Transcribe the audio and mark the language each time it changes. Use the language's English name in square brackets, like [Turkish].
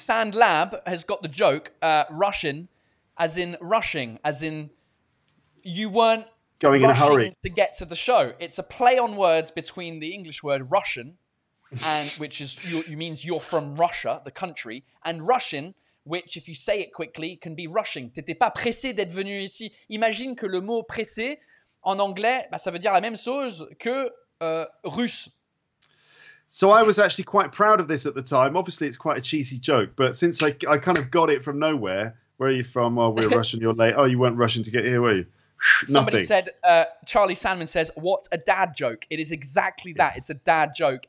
[English] But Sand Lab has got the joke, Russian, as in rushing, as in you weren't going in a hurry to get to the show. It's a play on words between the English word Russian, and which is you means you're from Russia, the country, and Russian, which if you say it quickly can be rushing. [French] T'étais pas pressé d'être venu ici. Imagine que le mot pressé en anglais, bah, ça veut dire la même chose que russe. [English] So I was actually quite proud of this at the time. Obviously, it's quite a cheesy joke, but since I kind of got it from nowhere, where are you from? Oh, we're Russian. You're late. Oh, you weren't Russian to get here, were you? Somebody nothing. Said, Charlie Sandman says, what a dad joke. It is exactly that. Yes. It's a dad joke.